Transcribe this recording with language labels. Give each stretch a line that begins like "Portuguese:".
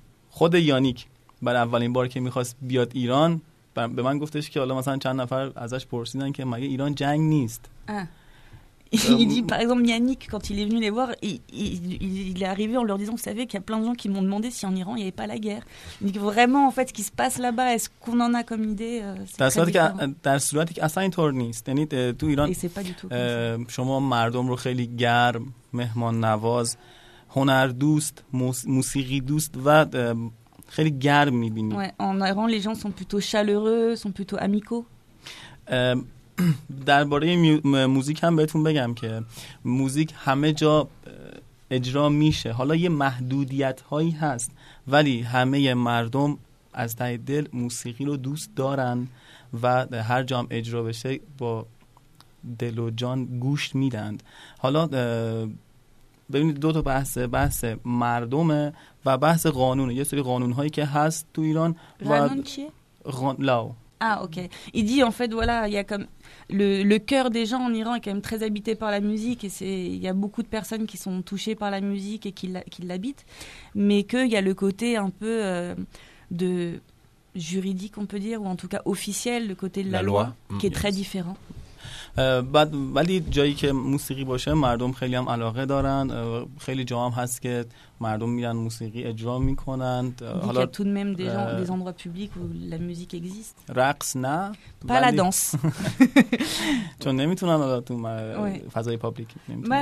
Persian: خود یانیک برای اولین بار که میخواست بیاد ایران به من گفتش که حالا مثلا چند نفر ازش پرسیدن که مگه ایران جنگ نیست.
French: Il dit par exemple Yannick quand il est venu les voir il est arrivé en leur disant vous savez qu'il y a plein de gens qui m'ont demandé si en Iran il n'y avait pas la guerre. Il dit vraiment en fait ce qui se passe là-bas est-ce qu'on en a comme idée
Persian: در صورتی که اصلا اینطور نیست. یعنی تو ایران شما مردم رو خیلی گرم، مهمان نواز، هنر دوست، موسیقی دوست و خیلی گرم می‌بینید.
French: En Iran les gens sont plutôt chaleureux, sont plutôt amicaux.
Persian: درباره موزیک هم بهتون بگم که موزیک همه جا اجرا میشه، حالا یه محدودیت هایی هست ولی همه مردم از ته دل موسیقی رو دوست دارن و هر جا هم اجرا بشه با دل و جان گوش میدن. حالا ببینید دو تا بحثه، بحث مردمه و بحث قانونه. یه سری قانون هایی که هست تو ایران و قانون چیه؟ لا
French: Ah ok, il dit en fait voilà, il y a comme le cœur des gens en Iran est quand même très habité par la musique et c'est il y a beaucoup de personnes qui sont touchées par la musique et qui l'habitent, mais qu'il y a le côté un peu de juridique on peut dire ou en tout cas officiel, le côté de la loi qui est très différent.
Persian: بعد ولی جایی که موسیقی باشه مردم خیلی هم علاقه دارن، خیلی جاها هم هست که مردم میرن موسیقی اجرا میکنن. حالا تو هم
French: دیز اندرو پبلیک و لا موزیک اگزیست
Persian: رقص نه بالا دانس چون نمیتونن حالا تو فضای پبلیک نمیتونن.